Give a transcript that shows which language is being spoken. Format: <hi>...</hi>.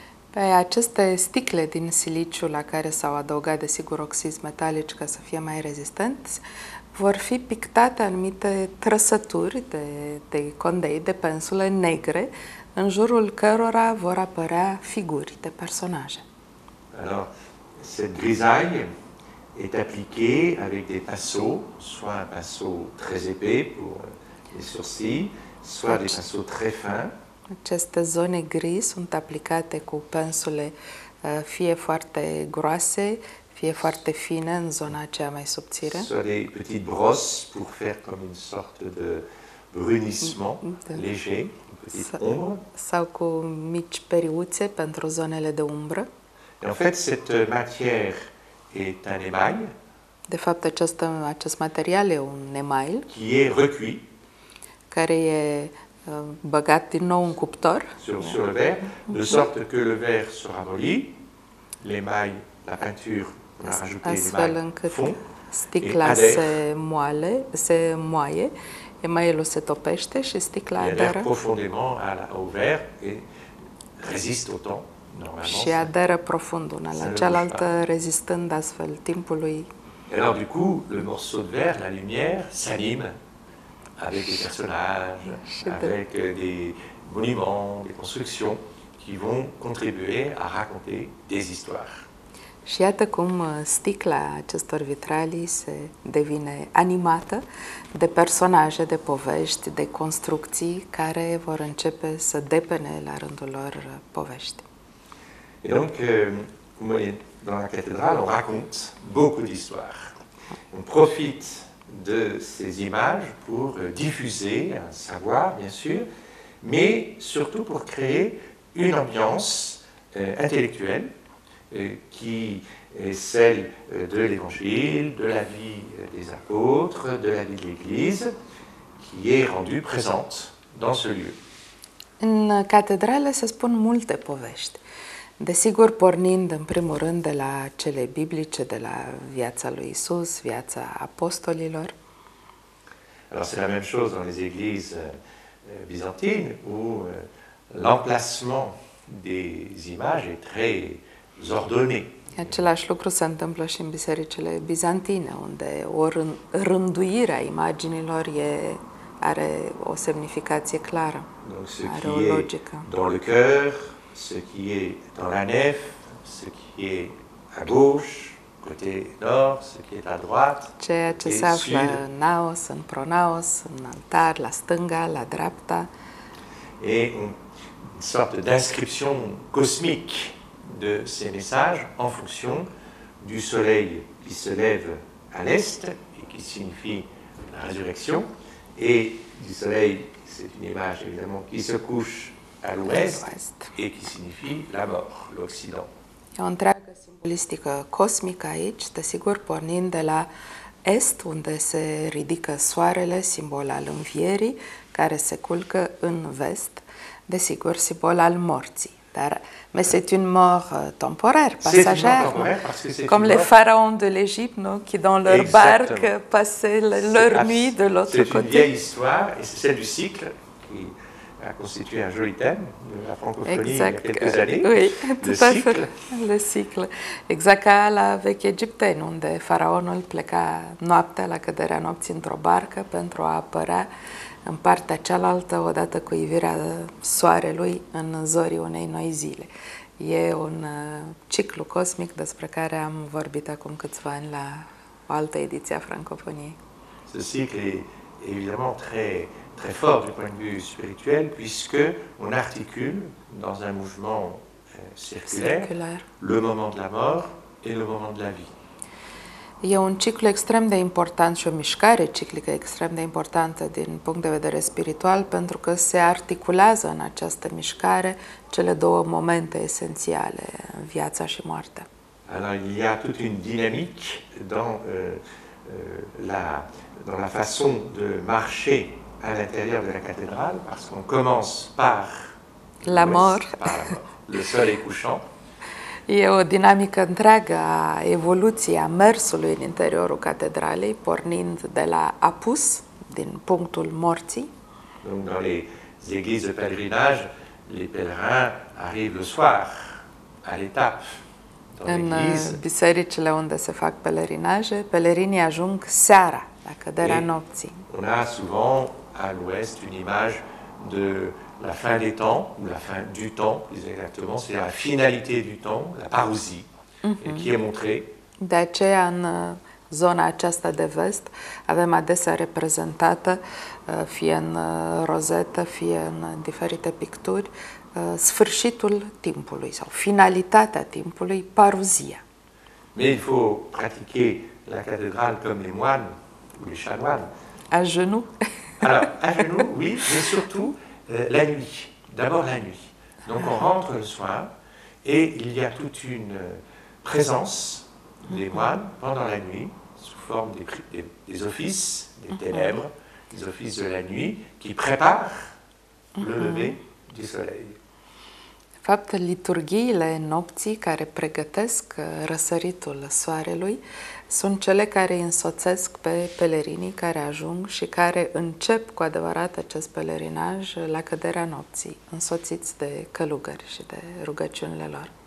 <ro>Pe aceste sticle din siliciu la care s-au adăugat, desigur, oxizi metalici ca să fie mai rezistenți, vor fi pictate anumite trăsături de condei, de pensule negre, în jurul cărora vor apărea figuri de personaje.</ro> <fr>Alors, cette grisaille est appliquée avec des pinceaux, soit un pinceau très épais pour les sourcils, soit des pinceaux très fins.</fr> <ro>Aceste zone gri sunt aplicate cu pensule fie foarte groase, fie foarte fine în zona aceea mai subțire. Sau</ro> <fr>des petites brosses pour faire comme une sorte de brunissement léger, une petite ombre.</fr> <ro>Sau cu mici periuțe pentru zonele de umbră.</ro> <fr>Et en fait, cette matière est un émail.</fr> <ro>De fapt, acest material e un email.</ro> <fr>Qui est recuit.</fr> <ro>care e băgat din nou în cuptor.</ro> <fr>Sur le verre, de sorte que le verre se ramollit, l'émail, la peinture, on a rajouté l'émail fond.</fr> <ro>Astfel încât sticla se moaie, emailul se topește și sticla adere.</ro> <fr>Adere profondément au verre et résiste au temps.</fr> <ro>Și aderă profund una la cealaltă, rezistând astfel timpului.</ro> <fr>Alors du coup, le morceau de verre, la lumière, s'anime avec les personnages, avec des monuments, des constructions qui vont contribuer à raconter des histoires.</fr> <ro>Și iată cum sticla acestor vitralii se devine animată de personaje, de povești, de construcții care vor începe să depene la rândul lor povești.</ro> <fr>Et donc, vous voyez, dans la cathédrale, on raconte beaucoup d'histoires. On profite de ces images pour diffuser un savoir, bien sûr, mais surtout pour créer une ambiance intellectuelle qui est celle de l'Évangile, de la vie des apôtres, de la vie de l'Église, qui est rendue présente dans ce lieu.</fr> <ro>În catedrală se spun multe povești. Desigur, pornind în primul rând de la cele biblice, de la viața lui Isus, viața apostolilor.</ro> <fr>Alors, c'est la même chose dans les églises byzantines où l'emplacement des images est très ordonné.</fr> <ro>Același lucru se întâmplă și în bisericile bizantine, unde rânduirea imaginilor are o semnificație clară.</ro> <fr>Donc,</fr> <ro>are o logică.</ro> <fr>Dans le cœur, ce qui est dans la nef, ce qui est à gauche, côté nord, ce qui est à droite,</fr> <ro>ceea ce se află în naos, în pronaos, în altar, la stânga, la dreapta.</ro> <fr>Et une sorte d'inscription cosmique de ces messages en fonction du soleil qui se lève à l'est et qui signifie la résurrection, et du soleil, c'est une image évidemment, qui se couche à l'ouest et qui signifie la mort, l'Occident.</fr> <ro>E o întreagă simbolistică cosmică aici, desigur, pornind de la est, unde se ridică soarele, simbol al învierii, care se culcă în vest, desigur, simbol al morții. Dar,</ro> <fr>mais c'est une mort temporaire, passagère, comme les pharaons de l'Égypte, non, qui dans leur barque passaient leur nuit de l'autre côté. C'est une vieille histoire et c'est celle du cycle qui a constitué un joli thème de la francophonie exact. Il y a quelques années. Oui, tout à fait. Le cycle.</fr> <ro>Exact ca la veche egipteni, unde faraonul pleca noaptea la căderea nopții într-o barcă pentru a apărea în partea cealaltă odată cu ivirea soarelui în zorii unei noi zile. E un ciclu cosmic despre care am vorbit acum câțiva ani la o altă ediție a francophoniei.</ro> <fr>Ce cycle est évidemment très fort du point de vue spirituel, puisque on articule dans un mouvement circulaire le moment de la mort et le moment de la vie.</fr> <ro>E un ciclu extrem de important și o mișcare ciclică extrem de importantă din punct de vedere spiritual, pentru că se articulează în această mișcare cele două momente esențiale, viața și moartea.</ro> <fr>Alors, il y a toute une dynamique dans la façon de marcher à l'intérieur de la cathédrale, parce qu'on commence par la mort, le soleil couchant.</fr> <ro>E o dinamică întreagă a evoluției, a mersului în interiorul catedralei, pornind de la apus, din punctul morții.</ro> <fr>Donc, dans les églises de pèlerinage, les pèlerins arrivent le soir, à l'étape.</fr> <ro>În bisericile unde se fac pelerinaje, pelerinii ajung seara, la căderea nopții.</ro> <fr>On a souvent à l'ouest une image de la fin des temps, ou la fin du temps, plus exactement, c'est la finalité du temps, la parousie, qui est montrée.</fr> <ro>De aceea, în zona aceasta de vest, avem adesea reprezentată, fie în rozetă, fie în diferite picturi, sfârșitul timpului sau finalitatea timpului, parousia.</ro> <fr>Mais il faut pratiquer la cathédrale comme les moines ou les chanoines. À genoux. Alors, à genoux, oui, mais surtout la nuit. D'abord la nuit. Donc on rentre le soir et il y a toute une présence des moines pendant la nuit sous forme des offices, des ténèbres, les offices de la nuit qui préparent le lever du soleil.</fr> <ro>De fapt, liturghiile nopții care pregătesc răsăritul soarelui sunt cele care însoțesc pe pelerinii care ajung și care încep cu adevărat acest pelerinaj la căderea nopții, însoțiți de călugări și de rugăciunile lor.</ro>